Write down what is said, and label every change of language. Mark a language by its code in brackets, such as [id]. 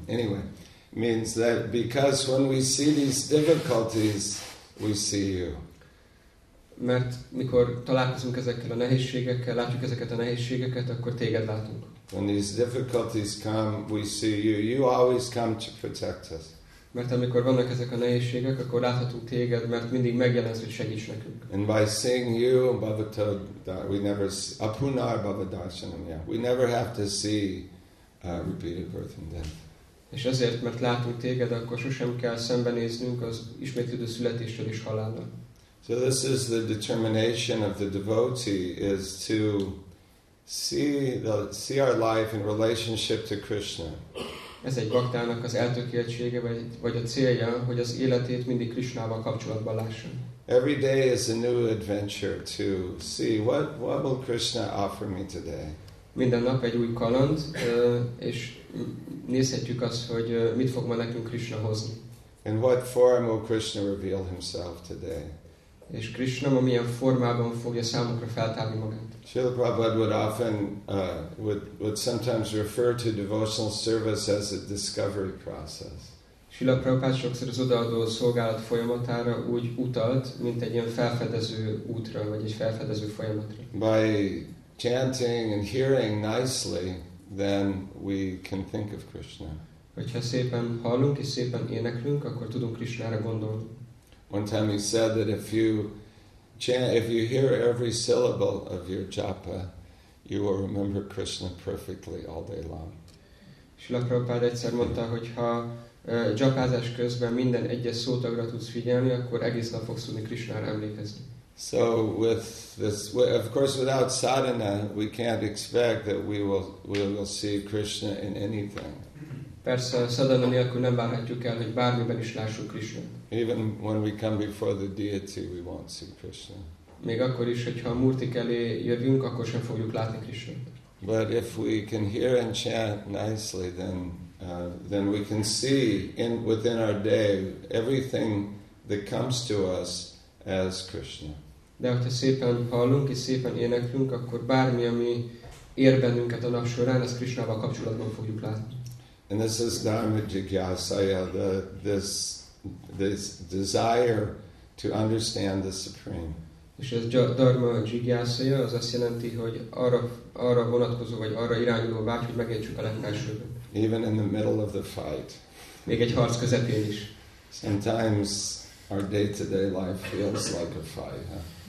[en] Anyway, means that because when we see these difficulties, we see you. [hu] Mert mikor találkozunk ezekkel a nehézségekkel, látjuk ezeket a nehézségeket, akkor téged látunk. [en] When these difficulties come, we see you. You always come to protect us. [hu] Mert amikor vannak ezek a nehézségek, akkor láthatunk téged, mert mindig megjelensz, hogy segíts nekünk. [en] And by seeing you, Bhavata, we never see, [sa] Apunar Bhavadarshanam, [en] yeah. We never have to see repeated birth and death. [hu] És azért, mert látunk téged, akkor sosem kell szembenéznünk az ismétlődő születéssel és halállal. [en] So this is the determination of the devotee, is to see our life in relationship to Krishna. [hu] Ez egy baktának az eltökéltsége, vagy a célja, hogy az életét mindig Krishnával kapcsolatban lásson. [en] Every day is a new adventure to see what will Krishna offer me today. [hu] Minden nap egy új kaland, és nézhetjük azt, hogy mit fog ma nekünk Krishna hozni. [en] In what form will Krishna reveal himself today? [hu] És Krishna ma milyen formában fogja számunkra feltárni magát. [en] Srila Prabhupada would sometimes refer to devotional service as a discovery process. [hu] Srila Prabhupada sokszor az odaadó szolgálat folyamatára úgy utalt, mint egy ilyen felfedező útra, vagy egy felfedező folyamatra. [en] By chanting and hearing nicely, then we can think of Krishna. [hu] Hogyha szépen hallunk és szépen éneklünk, akkor tudunk Krishnára gondolni. [en] One time he said that if you hear every syllable of your japa, you will remember Krishna perfectly all day long. [hu] Srila Prabhupada egyszer mondta, hogy ha japázás közben minden egyes szótagra tudsz figyelni, akkor egész nap fogsz tudni Krishnára emlékezni. [en] So with this, of course, without sadhana, we can't expect that we will see Krishna in anything. [hu] Persze, szadana nélkül nem várhatjuk el, hogy bármiben is lássuk Krishnát. [en] Even when we come before the deity, we won't see Krishna. [hu] Még akkor is, hogyha a Murtik elé jövünk, akkor sem fogjuk látni Krishnát. [en] But if we can hear and chant nicely, then we can see in within our day everything that comes to us as Krishna. [hu] De ha szépen hallunk és szépen éneklünk, akkor bármi, ami ér bennünket a nap során, az Krishnával kapcsolatban fogjuk látni. [en] And this is Dharma Jigyasaya, this desire to understand the Supreme. [hu] És ez Dharma Jigyasaya, az azt jelenti, hogy arra vonatkozó, vagy arra irányuló vágy, hogy megértsük a legfelsőbbet. [en] Even in the middle of the fight. [hu] Még egy harc közepén is. [en] Sometimes our day-to-day life feels like a fight, huh?